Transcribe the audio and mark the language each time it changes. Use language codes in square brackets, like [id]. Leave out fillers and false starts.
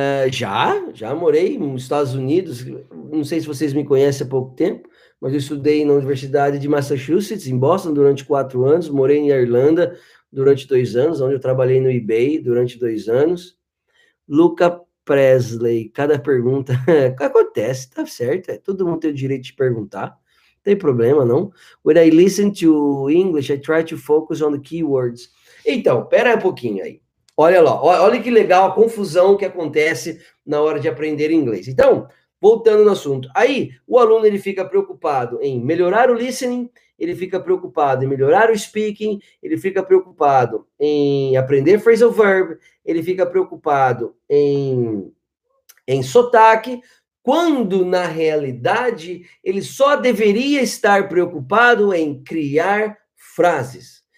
[pt] Já morei nos Estados Unidos. Não sei se vocês me conhecem há pouco tempo, mas eu estudei na Universidade de Massachusetts, em Boston, durante 4 anos. Morei em Irlanda durante 2 anos, onde eu trabalhei no eBay durante 2 anos. Luca Presley, cada pergunta acontece, tá certo? Todo mundo tem o direito de perguntar, tem problema, não? [en] When I listen to English, I try to focus on the keywords. [pt] Então, pera um pouquinho aí. Olha lá, olha que legal a confusão que acontece na hora de aprender inglês. Então, voltando no assunto. Aí, o aluno ele fica preocupado em melhorar o listening, ele fica preocupado em melhorar o speaking, ele fica preocupado em aprender phrasal verb, ele fica preocupado em sotaque, quando na realidade ele só deveria estar preocupado em criar frases.